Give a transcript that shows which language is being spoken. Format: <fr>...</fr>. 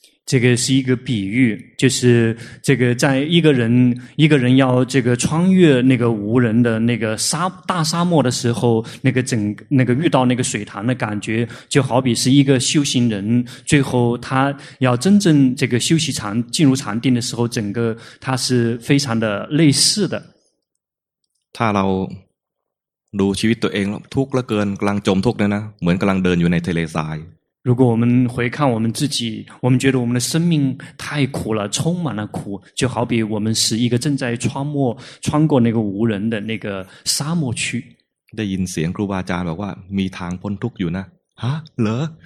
<zh>这个是一个比喻就是这个在一个人要这个穿越那个无人的那个大沙漠的时候那个整那个遇到那个水塘的感觉就好比是一个修行人最后他要真正这个修习禅进入禅定的时候整个他是非常的类似的</zh> <th>ถ้าเราดูชีวิตตัวเองทุกข์เหลือเกินกำลังจมทุกข์เนี่ยนะเหมือนกำลังเดินอยู่ในทะเลทราย</th> <zh>如果我们回看我们自己我们觉得我们的生命太苦了充满了苦就好比我们是一个正在穿过那个无人的那个沙漠区</zh> <th>ได้ยินเสียงครูบาอาจารย์บอกว่ามีทางพ้นทุกข์อยู่นะฮะเหรอ</th>